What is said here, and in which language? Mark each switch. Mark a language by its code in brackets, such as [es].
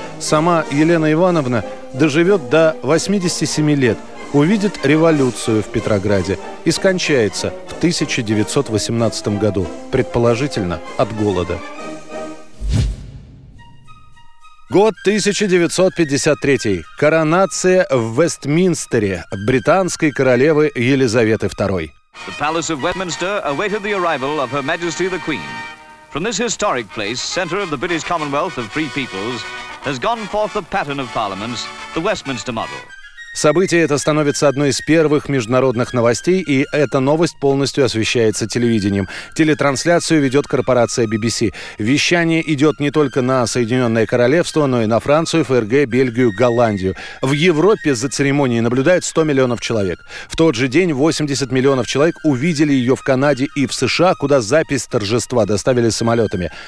[ru] Сама Елена Ивановна доживет до 87 лет, увидит революцию в Петрограде и скончается в 1918 году, предположительно, от голода. Год 1953. Коронация в Вестминстере британской королевы Елизаветы II. [en] The Palace of Westminster awaited the arrival of Her Majesty the Queen. From this historic place, center of the British Commonwealth of free peoples, has gone forth the pattern of parliaments, the Westminster model. [ru] Событие это становится одной из первых международных новостей, и эта новость полностью освещается телевидением. Телетрансляцию ведет корпорация BBC. Вещание идет не только на Соединенное Королевство, но и на Францию, ФРГ, Бельгию, Голландию. В Европе за церемонией наблюдают 100 миллионов человек. В тот же день 80 миллионов человек увидели ее в Канаде и в США, куда запись торжества доставили самолетами.